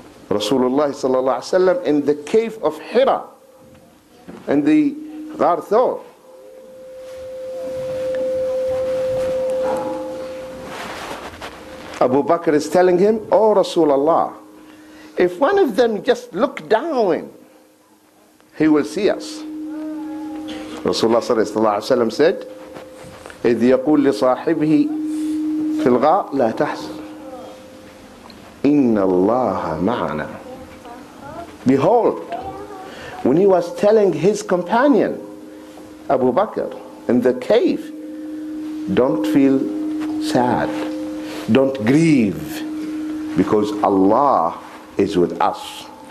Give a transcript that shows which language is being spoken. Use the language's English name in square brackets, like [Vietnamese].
[English] Rasulullah sallallahu alaihi wasallam in the cave of Hira, in the Ghar Thawr, Abu Bakr is telling him, "Oh Rasulullah, if one of them just look down, he will see us." Rasulullah sallallahu alaihi wasallam said, [Arabic] "إذ يقول لصاحبه في الغاء لا تحزن إن الله معنا." [English] Behold, when he was telling his companion Abu Bakr in the cave, "Don't feel sad, don't grieve, because Allah is with us.